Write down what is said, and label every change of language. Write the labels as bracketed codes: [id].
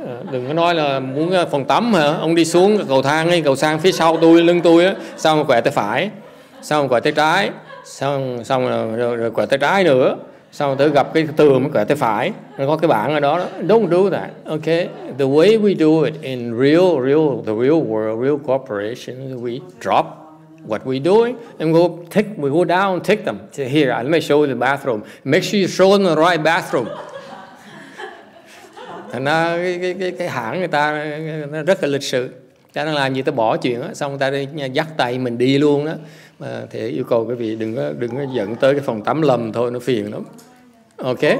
[vi] Đừng có nói là muốn phòng tắm hả? Ông đi xuống cầu thang hay cầu sang phía sau tôi, lưng tôi á, sao mà quẹt tới phải, sao mà quẹt tới trái, xong xong rồi quẹt tay trái nữa, xong tới gặp cái tường mới quẹt tay phải, nó có cái bảng ở đó đó. [en] Don't do that, okay? The way we do it in real world, real corporation, we drop what we doing and we go down, take them. So here, let me show you the bathroom. Make sure you show them the right bathroom. [vi] Thành ra cái hãng người ta nó rất là lịch sự. Ta đang làm gì ta bỏ chuyện á, xong ta đi dắt tay mình đi luôn á. À, thì yêu cầu quý vị đừng có dẫn tới cái phòng tắm lầm thôi, nó phiền lắm. Ok?